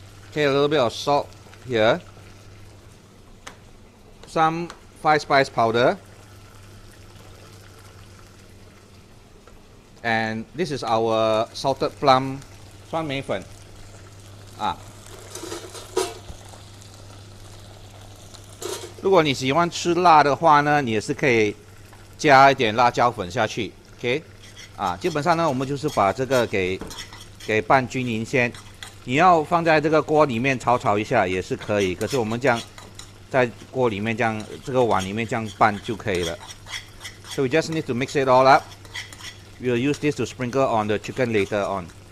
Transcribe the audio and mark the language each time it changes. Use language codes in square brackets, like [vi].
[en] Okay, a little bit of salt here. Some five spice powder, and this is our salted plum 酸梅粉啊。 [zh] 如果你喜欢吃辣的话呢，你也是可以加一点辣椒粉下去。 OK， 啊，基本上呢，我们就是把这个给拌均匀先。你要放在这个锅里面炒炒一下也是可以，可是我们这样，在锅里面这样，这个碗里面这样拌就可以了。 [en] So we just need to mix it all up. We'll use this to sprinkle on the chicken later on.